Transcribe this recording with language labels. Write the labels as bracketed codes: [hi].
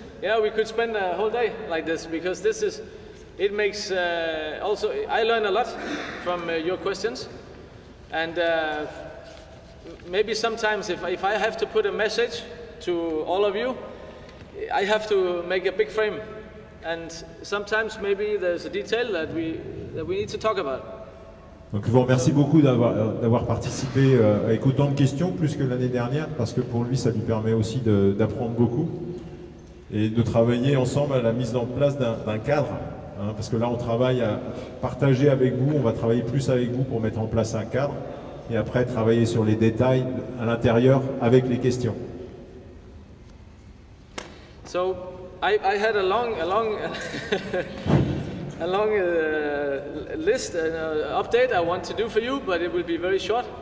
[en] Yeah, we could spend a whole day like this, because this is, it makes, also, I learn a lot from your questions, and maybe sometimes if I have to put a message to all of you, I have to make a big frame, and sometimes maybe there's a detail that we need to talk about. [fr] Donc, je vous remercie beaucoup d'avoir participé avec autant de questions, plus que l'année dernière, parce que pour lui, ça lui permet aussi d'apprendre beaucoup. Et de travailler ensemble à la mise en place d'un cadre, hein, parce que là on travaille à partager avec vous, on va travailler plus avec vous pour mettre en place un cadre, et après travailler sur les détails à l'intérieur avec les questions. [en] So I had a long update I want to do for you, but it will be very short.